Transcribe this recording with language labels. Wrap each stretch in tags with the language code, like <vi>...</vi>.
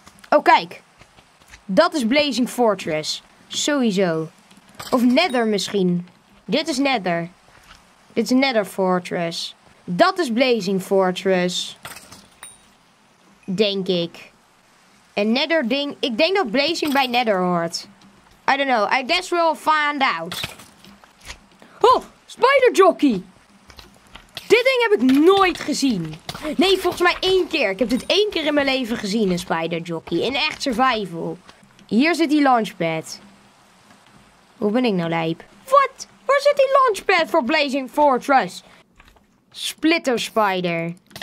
<nl>Oh, kijk. Dat is Blazing Fortress. Sowieso. Of Nether misschien. Dit is Nether. Dit is Nether Fortress. Dat is Blazing Fortress. Denk ik. Een Nether ding. Ik denk dat Blazing bij Nether hoort.</nl> <en>I don't know. I guess we'll find out.</en> <nl>Oh, Spider Jockey. Dit ding heb ik nooit gezien. Nee, volgens mij één keer. Ik heb dit één keer in mijn leven gezien, een Spider Jockey. In echt survival. Hier zit die launchpad. Hoe ben ik nou lijp? Wat? Waar zit die launchpad voor Blazing Fortress? Splitter Spider.</nl>